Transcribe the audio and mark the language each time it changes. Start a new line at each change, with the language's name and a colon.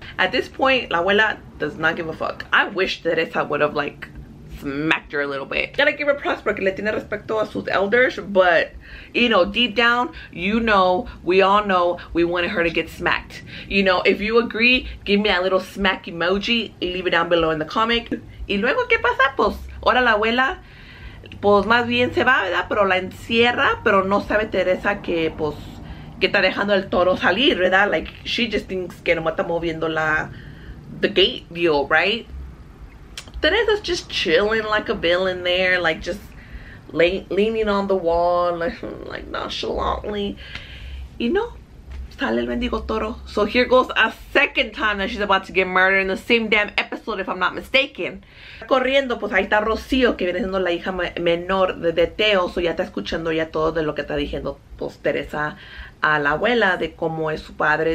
English: At this point,
Spanish: la abuela
English: does not give a fuck. I wish Teresa would have, like, smacked her a little bit. Gotta give her props
Spanish: porque le tiene respeto a sus
English: elders, but you know, deep down, you know, we all know we wanted her to get smacked. You know, if you agree, give me that little smack emoji and leave it down below in the comic.
Spanish: Y luego, ¿qué pasa? Pues ahora la abuela, pues más bien se va, ¿verdad? Pero la encierra, pero no sabe Teresa que, pues, que está dejando el toro salir, ¿verdad?
English: Like, she just thinks
Spanish: que nomás está moviendo
English: the gate deal, right? Teresa's just chilling like a villain there, like just leaning on the wall, like nonchalantly. You know,
Spanish: sale el mendigo toro.
English: So here goes a second time that she's about to get murdered in the same damn episode. episode, if I'm not mistaken.
Spanish: Corriendo, pues ahí está Rocío, que viene siendo la hija menor de Teo. So ya está escuchando ya todo de lo que está diciendo, pues, Teresa a la abuela de cómo es su padre.